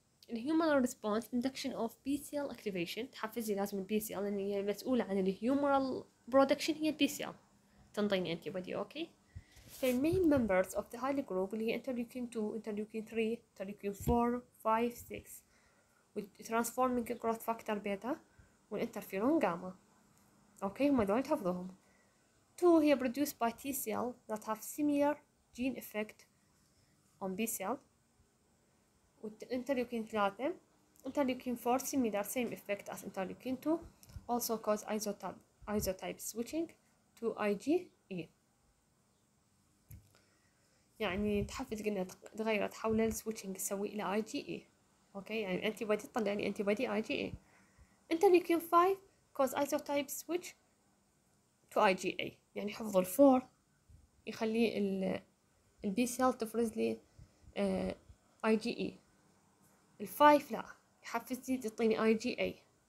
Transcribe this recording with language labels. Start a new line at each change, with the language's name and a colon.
Arabic: الهيومر ريسبونس اندكشن اوف بي سي ال اكتيفيشن تحفزني لازم البي سي ال, لان هي مسؤوله عن الهيومرال برودكشن, هي البي سي ال تنطيني انتي بودي. اوكي فالمين ممبرز اوف ذا هايلي جروب اللي هي انترليوكين 2 انترليوكين 3 انترليوكين 4 5 6 وترانسفورمينج جروث فاكتور بيتا والانترفيرون جاما. اوكي هم دول تحفظهم.
English: 2 هي produced by T cell that have similar gene effect on B cell. Interleukin 3, interleukin 4 similar same effect as interleukin 2, also cause isotype switching to IgE.
Arabic: يعني تحفز قلنا تغير تحول السويتشنج تسوي إلى IgE. أوكي يعني antibody طلع لي antibody IgE.
English: Interleukin 5 cause isotype switch to IgA.
Arabic: يعني حفظ الفور يخلي البي سيل تفرز لي اي جي اي, الفايف لا يحفز لي تعطيني اي جي اي.